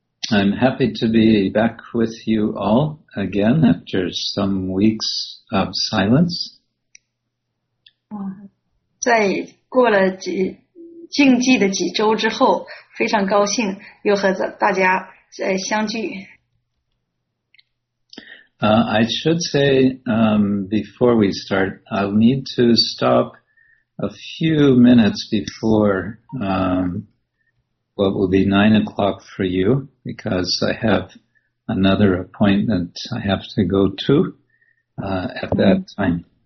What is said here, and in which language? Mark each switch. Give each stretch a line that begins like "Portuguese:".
English: I'm happy to be back with you all again after some weeks of silence.
Chinese: 在过了静寂的几周之后, 非常高兴又和大家相聚。
English: I should say, before we start, I'll need to stop a few minutes before, what will be 9 o'clock for you, because I have another appointment I have to go to, at that time.